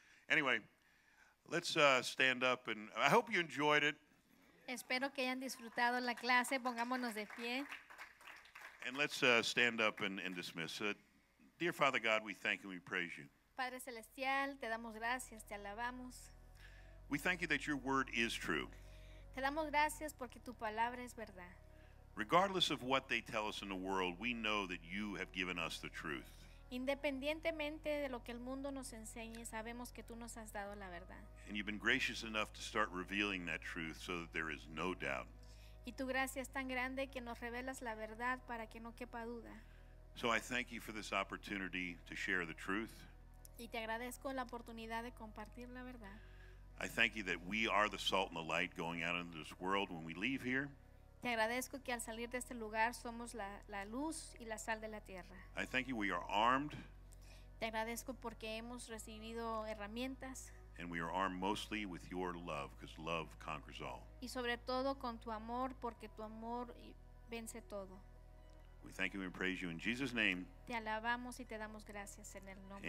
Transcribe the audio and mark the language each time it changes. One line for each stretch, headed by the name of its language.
English: Anyway, let's stand up, and I hope you enjoyed it.
Spanish: Espero que hayan disfrutado la clase. Pongámonos de pie.
English: And let's stand up and dismiss. Dear Father God, we thank you and we praise you.
Spanish: Padre Celestial, te damos gracias, te alabamos.
English: We thank you that your word is true.
Spanish: Te damos gracias porque tu palabra es verdad.
English: Regardless of what they tell us in the world, we know that you have given us the truth.
Spanish: Independientemente de lo que el mundo nos enseñe, sabemos que tú nos has dado la verdad.
English: And you've been gracious enough to start revealing that truth so that there is no doubt.
Spanish: Y tu gracia es tan grande que nos revelas la verdad para que no quepa duda.
English: So I thank you for this opportunity to share the truth.
Spanish: Y te agradezco la oportunidad de compartir la verdad.
English: I thank you that we are the salt and the light going out into this world when we leave here.
Spanish: Te agradezco que al salir de este lugar somos la luz y la sal de la tierra.
English: I thank you we are armed.
Spanish: Te agradezco porque hemos recibido herramientas.
English: And we are armed mostly with your love, because love conquers all.
Spanish: Y sobre todo con tu amor, porque tu amor vence todo.
English: We thank you and praise you in Jesus' name.
Spanish: Te alabamos y te damos gracias en el nombre.